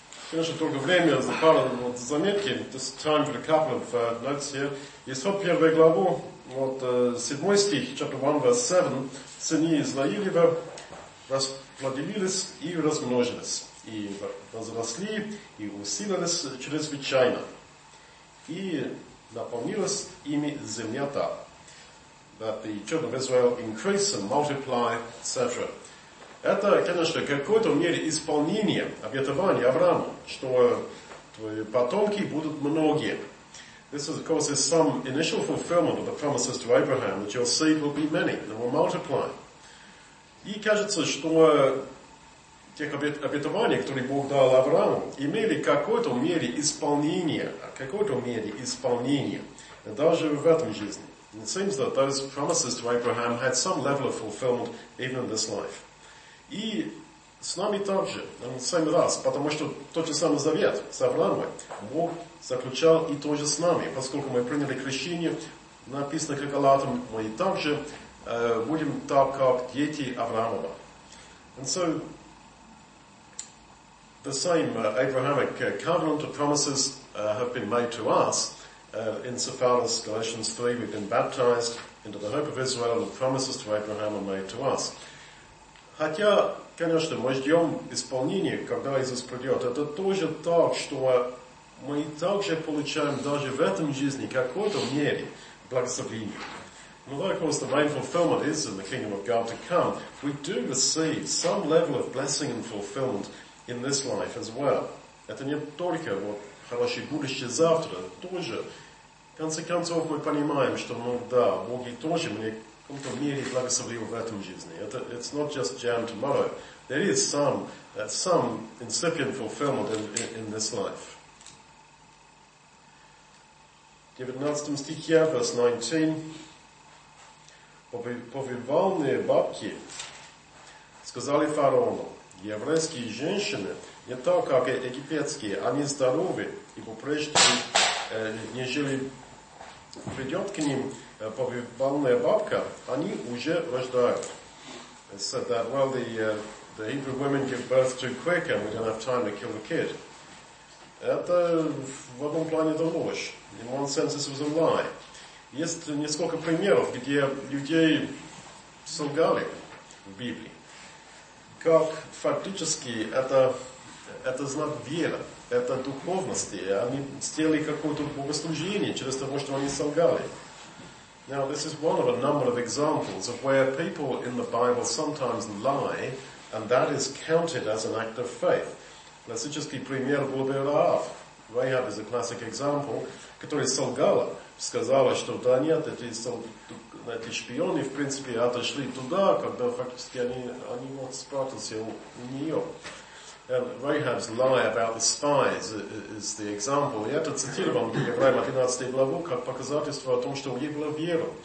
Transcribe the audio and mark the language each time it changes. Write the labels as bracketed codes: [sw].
[ru] Конечно, долгое время за пару заметки. [en] This time for a couple of notes here. [ru] Исход первую главу, вот 7 стих, [en] chapter 1, verse 7. [ru] Сыны Израилева расплодились и размножились, и возросли, и усилились чрезвычайно, и наполнилась ими земля та. [en] That the children of Israel increase and multiply, etc. [ru] Это, конечно, в какой-то мере исполнение обетования Аврааму, что твои потомки будут многие. [en] This is, of course, is some initial fulfillment of the promises to Abraham, that your seed will be many, and will multiply. [ru] И кажется, что тех обетований, которые Бог дал Аврааму, имели в какой-то мере исполнение, даже в этом жизни. [en] It seems that those promises to Abraham had some level of fulfillment even in this life. [ru] И с нами также, [en] and same with us, [ru] потому что тот же самый завет с Авраамом Бог заключал и тоже с нами, поскольку мы приняли крещение, написано как Галатам, мы и также будем так, как дети Авраамова. [en] And so, the same Abrahamic covenant of promises have been made to us, insofar as Galatians 3, we've been baptized into the hope of Israel, and the promises to Abraham are made to us. [ru] Хотя, конечно, мы ждем исполнения, когда Иисус придет. Это тоже так, что мы также получаем даже в этом жизни какой-то мере благословения. [en] And although, of course, the main fulfillment is in the kingdom of God to come, we do receive some level of blessing and fulfillment in this life as well. [ru] Это не только вот хорошее будущее завтра, тоже. В конце концов, мы понимаем, что, ну да, Бог и тоже мне в каком-то мере благословил в этом жизни. [en] It's not just jam tomorrow. There is some incipient fulfillment in this life. [ru] 19 стихе, [en] verse 19. [ru] Повивальные бабки сказали фараону, еврейские женщины не так, как египетские, они здоровы, ибо прежде, нежели придет к ним повивальная бабка, они уже рождают. [en] It said that, well, the Hebrew women give birth too quick and we don't have time to kill the kid. [ru] Это в одном плане это ложь. [en] In one sense, this was a lie. [ru] Есть несколько примеров, где людей солгали в Библии. Как фактически это знак веры, это духовности. Они сделали какое-то богослужение через то, что они солгали. [en] Now, this is one of a number of examples of where people in the Bible sometimes lie, and that is counted as an act of faith. [ru] Классический пример был бы Раав. Раав [en] is a classic example, [ru] который солгала, сказала, что да нет, эти шпионы, в принципе, отошли туда, когда фактически они вот спрятались у нее. [en] And Rahab's lie about the spies is the example. [ru] И это цитирован в Евреям 11 главу, как показательство о том, что у нее была вера.